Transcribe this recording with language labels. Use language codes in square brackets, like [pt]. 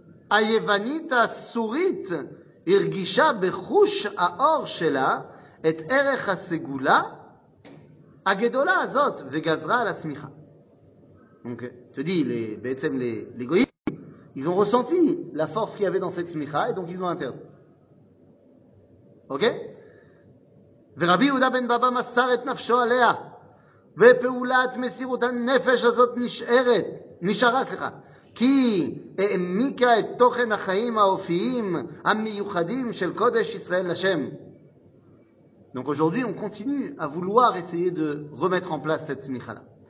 [he] היוונית הסורית הרגישה בחוש האור שלה את ערך הסגולה הגדולה הזאת וגזרה על הסמיכה. [fr] Donc, tu dis, בעצם les goyim, ils ont ressenti la force qu'il y avait dans cette smicha et donc ils l'ont interdit. Ok? [he] ורבי יהודה בן בבא מסר את נפשו עליה ופעולת מסירות הנפש הזאת נשארה. כי העמיקה את תוכן החיים האופיים המיוחדים של קודש ישראל לשם. [fr] Donc aujourd'hui, on continue à vouloir essayer de remettre en place cette smicha-là.